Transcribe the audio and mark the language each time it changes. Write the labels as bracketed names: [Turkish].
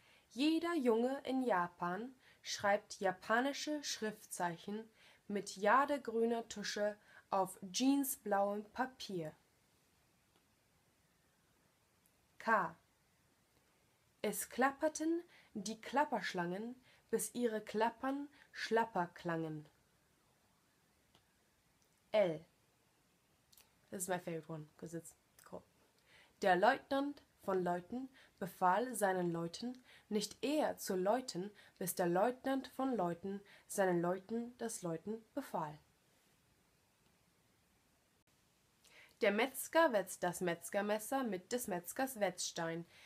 [German] Jeder Junge in Japan schreibt japanische Schriftzeichen mit jadegrüner Tusche auf jeansblauem Papier. K. Es klapperten die Klapperschlangen, bis ihre Klappern schlapper klangen. L. [English] This is my favorite one, because it's cool. [German] Der Leutnant von Leuten befahl seinen Leuten, nicht eher zu läuten, bis der Leutnant von Leuten seinen Leuten das Läuten befahl. Der Metzger wetzt das Metzgermesser mit des Metzgers Wetzstein.